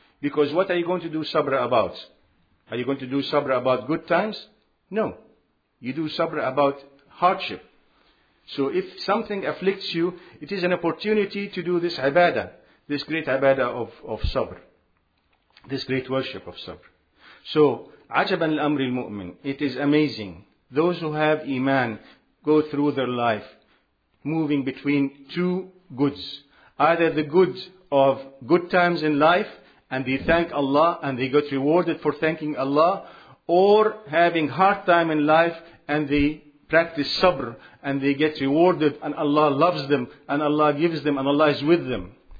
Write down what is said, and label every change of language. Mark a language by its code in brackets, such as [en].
[en] Because what are you going to do sabr about? Are you going to do sabr about good times? No. You do sabr about hardship. So if something afflicts you, it is an opportunity to do this ibadah, this great ibadah of sabr. This great worship of sabr. [ar] So, عَجَبًا لِأَمْرِ الْمُؤْمِنِ. [en] It is amazing. Those who have iman go through their life moving between two goods. Either the good of good times in life, and they thank Allah and they get rewarded for thanking Allah, or having hard time in life and they practice sabr and they get rewarded and Allah loves them and Allah gives them and Allah is with them.